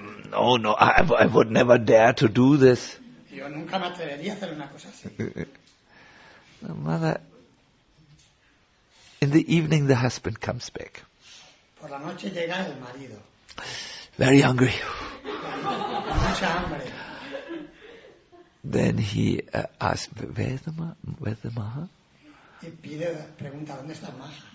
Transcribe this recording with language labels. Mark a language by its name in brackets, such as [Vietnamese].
[English] No, no, I would never dare to do this. [Spanish] Yo nunca me atrevería a hacer una cosa así. [English] The mother, in the evening the husband comes back. [Spanish] Por la noche llega el marido. [English] Very hungry. [Spanish] Mucha hambre. [English] Then he asks, where's the maha? [Spanish] Y pide, pregunta, ¿dónde está el maha?